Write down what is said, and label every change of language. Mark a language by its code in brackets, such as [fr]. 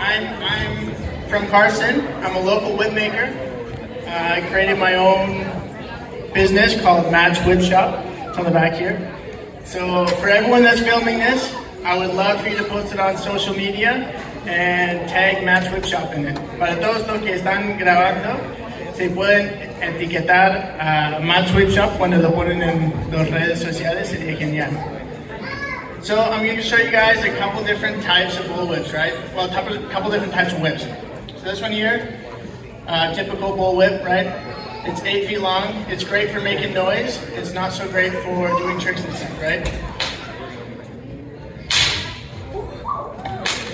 [en] I'm from Carson. I'm a local whip maker. I created my own business called Matt's Whip Shop. It's on the back here. So for everyone that's filming this, I would love for you to post it on social media and tag Matt's Whip Shop in it. [es] Para todos los que están grabando, se pueden etiquetar a Matt's Whip Shop cuando lo ponen en las redes sociales, sería genial. [en] So I'm going to show you guys a couple different types of bull whips, right? Well, a couple different types of whips. So this one here, typical bull whip, right? It's 8 feet long. It's great for making noise. It's not so great for doing tricks and stuff, right?